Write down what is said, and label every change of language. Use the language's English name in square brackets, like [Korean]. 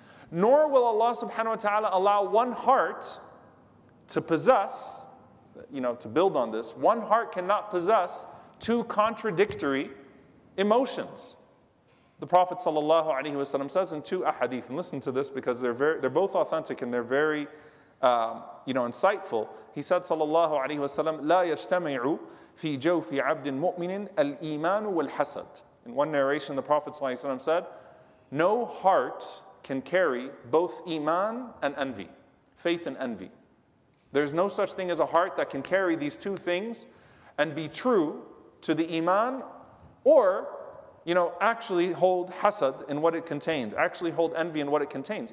[English] Nor will Allah subhanahu wa ta'ala allow one heart to possess, you know, to build on this, one heart cannot possess two contradictory emotions. The Prophet sallallahu alaihi wasallam says in two ahadith, and listen to this because they're both authentic and they're very, insightful. He said sallallahu alaihi wasallam, [Arabic] لا يجتمع في جوف عبد مؤمن الإيمان والحسد. [English] In one narration, the Prophet sallallahu alaihi wasallam said, no heart can carry both iman and envy, faith and envy. There's no such thing as a heart that can carry these two things and be true to the iman or, you know, actually hold hasad in what it contains, actually hold envy in what it contains.